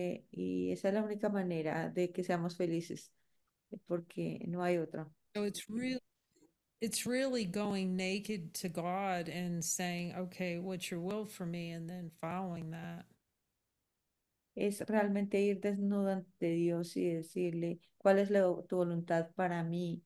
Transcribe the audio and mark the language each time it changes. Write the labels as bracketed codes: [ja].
[es] Y esa es la única manera de que seamos felices, porque no hay otra. [en] So it's really going naked to God and saying, okay, what's your will for me? And then following that. [es] Es realmente ir desnudo ante Dios y decirle, ¿cuál es tu voluntad para mí?